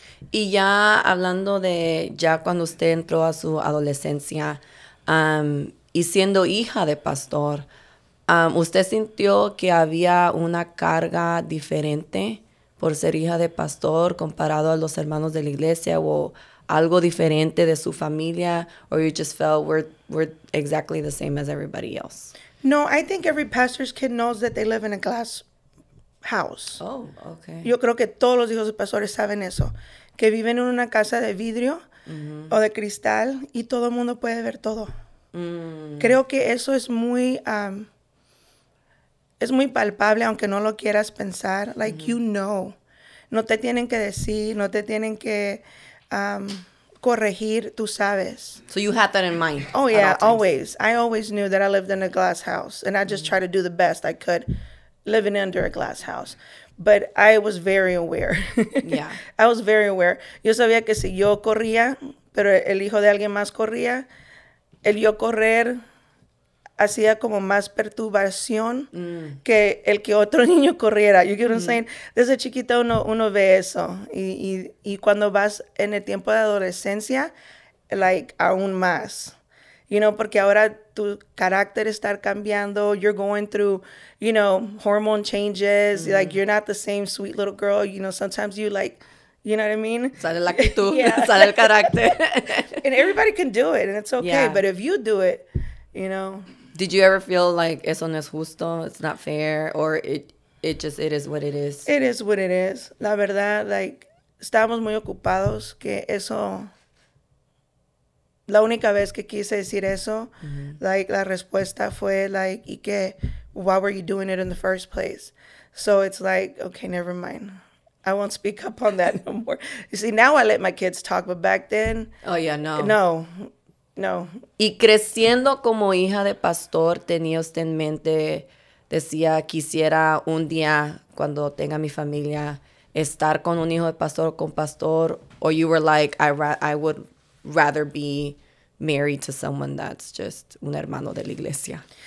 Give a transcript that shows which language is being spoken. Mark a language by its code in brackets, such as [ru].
[es] Y ya hablando de ya cuando usted entró a su adolescencia y siendo hija de pastor, ¿usted sintió que había una carga diferente por ser hija de pastor comparado a los hermanos de la iglesia o algo diferente de su familia? [en] ¿O you just felt we're exactly the same as everybody else? No, I think every pastor's kid knows that they live in a glass house. Oh, okay. [es] Yo creo que todos los hijos de pastores saben eso, que viven en una casa de vidrio mm-hmm. o de cristal y todo el mundo puede ver todo. Mm. Creo que eso es muy palpable, aunque no lo quieras pensar. [en] Like, [es] mm-hmm. [en] you know. [es] No te tienen que decir, no te tienen que corregir, tú sabes. [en] So you had that in mind. Oh yeah, always. I always knew that I lived in a glass house and I just mm-hmm. tried to do the best I could living under a glass house. But I was very aware. Yeah. I was very aware. [es] Yo sabía que si yo corría, pero el hijo de alguien más corría, el yo correr hacía como más perturbación que el que otro niño corriera. [en] You get what I'm saying? [es] Desde chiquita uno ve eso. Y cuando vas en el tiempo de adolescencia, [en] like, [es] aún más. [en] You know, [es] porque ahora tu carácter está cambiando. [en] You're going through, you know, hormone changes. Mm-hmm. Like, you're not the same sweet little girl. You know, sometimes you, like, you know what I mean? [es] Sale la actitud. Sale el carácter. [en] And everybody can do it, and it's okay. Yeah. But if you do it, you know... Did you ever feel like [es] eso no es justo, [en] it's not fair, or it is what it is? It is what it is. [es] La verdad, [en] like, [es] estábamos muy ocupados que eso, la única vez que quise decir eso, mm-hmm. [en] like, [es] la respuesta fue, [en] like, [es] y que, [en] why were you doing it in the first place? So it's like, okay, never mind. I won't speak up on that no more. You see, now I let my kids talk, but back then... Oh, yeah, no. No, no. [es] Y creciendo como hija de pastor, tenía usted en mente, decía, quisiera un día, cuando tenga mi familia, estar con un hijo de pastor o con pastor. [en] Or you were like, I would rather be married to someone that's just [es] un hermano de la iglesia.